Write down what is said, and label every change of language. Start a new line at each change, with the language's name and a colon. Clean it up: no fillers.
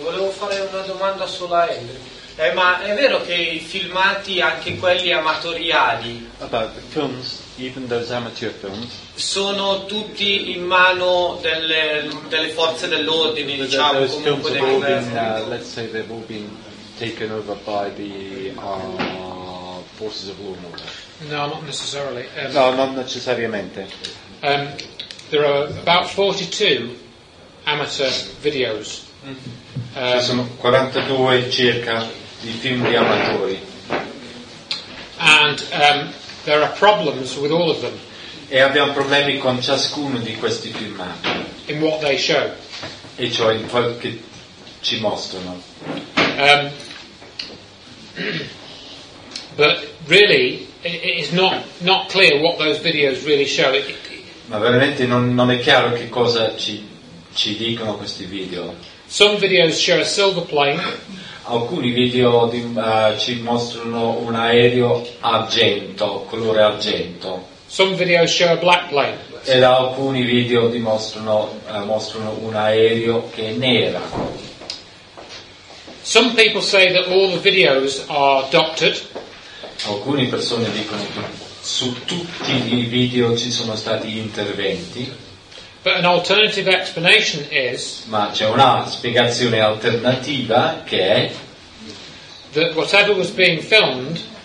Italian: E volevo fare una domanda sulla Andrew. Ma è vero che i filmati, anche quelli amatoriali,
English: about the films, even those amateur films,
Italian: sono tutti in mano delle forze dell'ordine, diciamo, comunque del governo?
English: Let's say they've all been taken over by the forces of law and order. No, not necessarily. There are about 42 amateur videos.
Italian: Ci sono 42 circa di film di amatori.
English: And there are problems with all of them.
Italian: E abbiamo problemi con ciascuno di questi filmati.
English: In what they show.
Italian: E cioè in quello che ci mostrano.
English: But really, it is not clear what those videos really show.
Italian: Ma veramente non è chiaro che cosa ci dicono questi video.
English: Some videos show a silver plane.
Italian: Alcuni video ci mostrano un aereo argento, colore argento.
English: Some videos show a black plane.
Italian: Ed alcuni video mostrano un aereo che è nera.
English: Some people say that all the videos are doctored.
Italian: Alcune persone dicono che su tutti i video ci sono stati interventi.
English: But an alternative explanation is,
Italian: ma c'è una spiegazione alternativa che è
English: that whatever was being filmed,